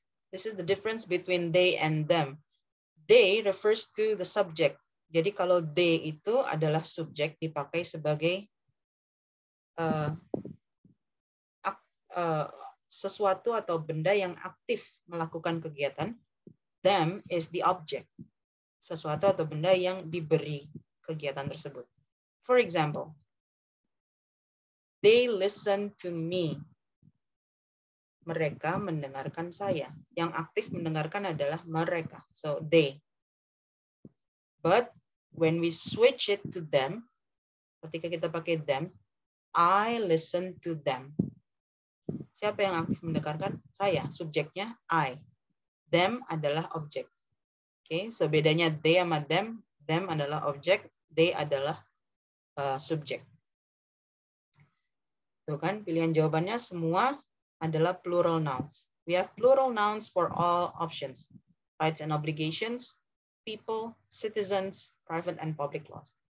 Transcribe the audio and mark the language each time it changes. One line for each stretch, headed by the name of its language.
English: This is the difference between they and them. They refers to the subject.
Indonesian: Jadi kalau they itu adalah subjek dipakai sebagai sesuatu atau benda yang aktif melakukan kegiatan.
English: Them is the object.
Indonesian: Sesuatu atau benda yang diberi kegiatan tersebut.
English: For example, they listen to me.
Indonesian: Mereka mendengarkan saya. Yang aktif mendengarkan adalah mereka.
English: So, they. But when we switch it to them,
Indonesian: ketika kita pakai
English: them, I listen to them.
Indonesian: Siapa yang aktif mendengarkan? Saya. Subjeknya I. Them adalah objek. Okay, so bedanya they sama them. Them adalah objek. They adalah subjek. Tuh kan, pilihan jawabannya semua adalah plural nouns.
English: We have plural nouns for all options. Rights and obligations, people, citizens, private and public laws.